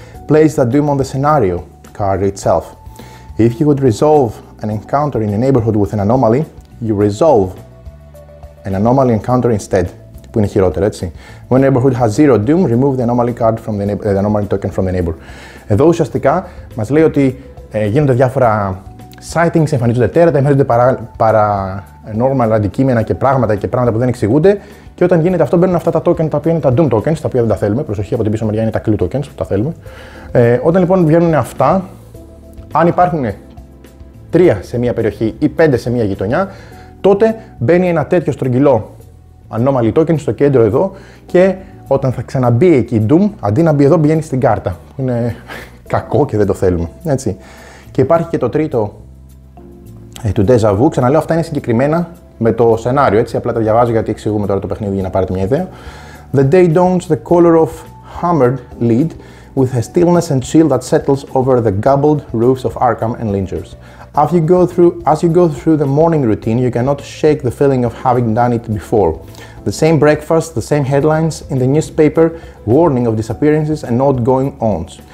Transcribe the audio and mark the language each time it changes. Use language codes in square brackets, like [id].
[en] place that doom on the scenario, card itself. If you would resolve an encounter in a neighborhood with an anomaly, you resolve an anomaly encounter instead, [el] που είναι χειρότερο, έτσι. [en] When a neighborhood has zero doom, remove the anomaly card from the anomaly token from the neighbor. [el] Εδώ ουσιαστικά μας λέει ότι γίνονται διάφορα sightings, εμφανίζονται τέρατα, εμφανίζονται paranormal αντικείμενα και πράγματα που δεν εξηγούνται. Και όταν γίνεται αυτό, μπαίνουν αυτά τα token, τα οποία είναι τα doom tokens, τα οποία δεν τα θέλουμε. Προσοχή, από την πίσω μεριά είναι τα clue tokens που τα θέλουμε. Όταν λοιπόν βγαίνουν αυτά, αν υπάρχουν 3 σε μία περιοχή ή 5 σε μία γειτονιά, τότε μπαίνει ένα τέτοιο στρογγυλό anomaly token στο κέντρο εδώ και όταν θα ξαναμπεί εκεί η doom, αντί να μπει εδώ, πηγαίνει στην κάρτα. Είναι κακό και δεν το θέλουμε, έτσι. Και υπάρχει και το τρίτο του deja vu. Ξαναλέω, αυτά είναι συγκεκριμένα με το σενάριο, έτσι, απλά τα διαβάζω γιατί εξηγούμε τώρα το παιχνίδι για να πάρετε μια ιδέα. [en] The day dawns the color of hammered lead with a stillness and chill that settles over the gabbled roofs of Arkham and Lingers. As you go through the morning routine, you cannot shake the feeling of having done it before. The same breakfast, the same headlines in the newspaper, warning of disappearances and odd going ons.